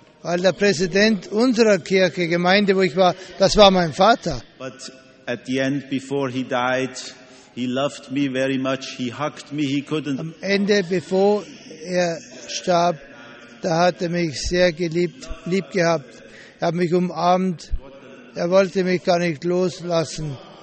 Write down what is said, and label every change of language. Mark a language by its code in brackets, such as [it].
[de] Weil der Präsident unserer Kirche, Gemeinde, wo ich war, das war mein Vater. [en] But at the end, before he died, he loved me very much. He hugged me. He couldn't. [de] Am Ende, bevor er starb, da hat er mich sehr geliebt, lieb gehabt. Er hat mich umarmt. Er wollte mich gar nicht loslassen.